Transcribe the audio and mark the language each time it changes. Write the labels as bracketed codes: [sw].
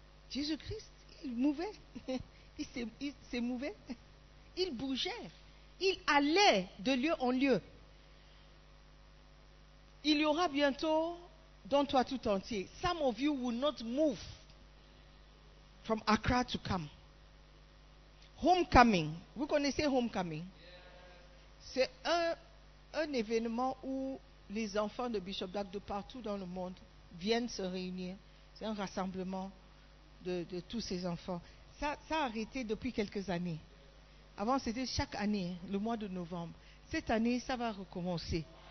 [fr] Jésus-Christ, il mouvait. Il s'émouvait. Il bougeait. Il allait de lieu en lieu. Il y aura bientôt dans toi tout entier. [en] Some of you will not move from Accra to come. [fr] Homecoming. Vous connaissez Homecoming? C'est un événement où les enfants de Bishop Black de partout dans le monde viennent se réunir. C'est un rassemblement de tous ces enfants. Ça a arrêté depuis quelques années. Avant, c'était chaque année, le mois de novembre. Cette année, ça va recommencer.